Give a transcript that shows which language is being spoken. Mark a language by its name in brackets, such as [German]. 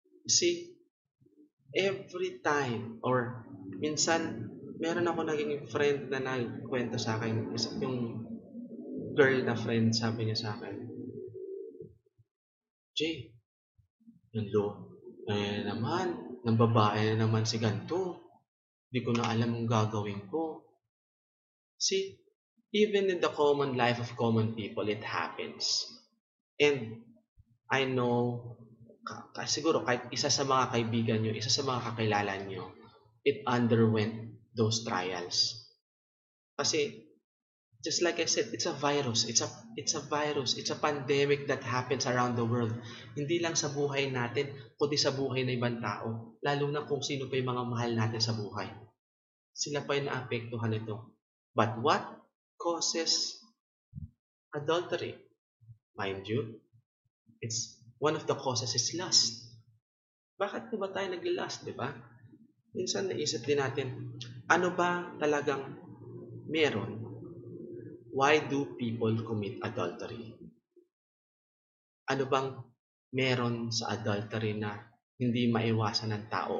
[English] See, every time, [Filipino] or minsan, meron ako naging friend na nagkwento sa akin, yung girl na friend, sabi niya sa akin, Jay, yung lo, eh naman, ng babae na naman si ganito, hindi ko na alam ang gagawin ko. [English] See, even in the common life of common people, it happens. And I know, [Filipino] siguro kahit isa sa mga kaibigan nyo, isa sa mga kakilala nyo, [English] it underwent those trials. [Filipino] Kasi, [English] just like I said, it's a virus. It's a virus. It's a pandemic that happens around the world. [Filipino] Hindi lang sa buhay natin, kundi sa buhay ng ibang tao. Lalo na kung sino pa yung mga mahal natin sa buhay. Sila pa yung naapektuhan ito. [English] But what causes adultery? Mind you, it's one of the causes is lust. [Filipino] Bakit ba tayo nag-lust, di ba? Minsan naisip din natin, ano ba talagang meron? [English] Why do people commit adultery? [Filipino] Ano bang meron sa adultery na hindi maiwasan ng tao?